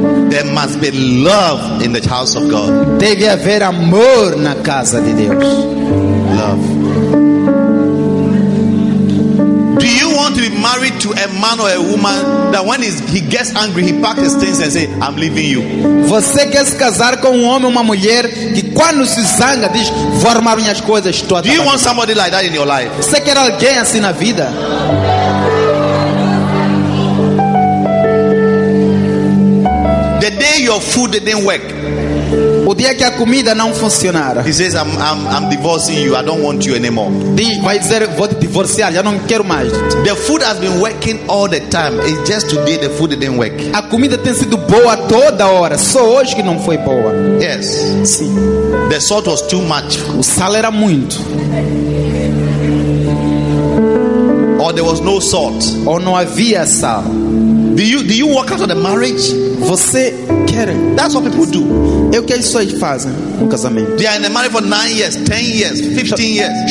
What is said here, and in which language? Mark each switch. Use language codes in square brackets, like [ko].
[en] There must be love in the house of God. [pt] Deve haver amor na casa de Deus. [en] Love. Do you want to be married to a man or a woman that when he gets angry, he packs his things and says, I'm leaving you? [pt] Você quer se casar com homem ou uma mulher que quando se zanga diz, vou arrumar minhas coisas? [en] Do you want somebody like that in your life? [pt] Você quer alguém assim na vida? [en] The day your food didn't work, [pt] O dia que a comida não funcionar. [en] He says, I'm divorcing you. I don't want you anymore. [pt] Vai dizer, vou te divorciar. Já não quero mais. [en] The food has been working all the time. It's just today the food didn't work. [pt] A comida tem sido boa toda hora. Só hoje que não foi boa. [en] Yes. [pt] Sim. [en] The salt was too much. [pt] O sal era muito. [en] Or there was no salt. [pt] Ou não havia sal. [en] Do you work out of the marriage? [pt] Você quer? [en] That's what people do. [pt] É o que as pessoas fazem no casamento. [en] They are in the marriage for 9 years, 10 years, 15 years.